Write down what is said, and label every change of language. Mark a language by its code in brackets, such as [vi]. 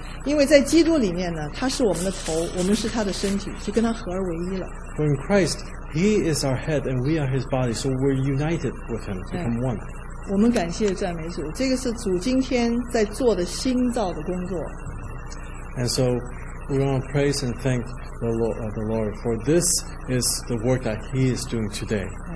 [zh] 因为在基督里面呢，他是我们的头，我们是他的身体，就跟他合而为一了。 [en] For in Christ, He is our head, and we are His body, so we're united with Him, become one. [zh] 我们感谢赞美主，这个是主今天在做的新造的工作。 [en] And so we want to praise and thank the Lord for this is the work that He is doing today.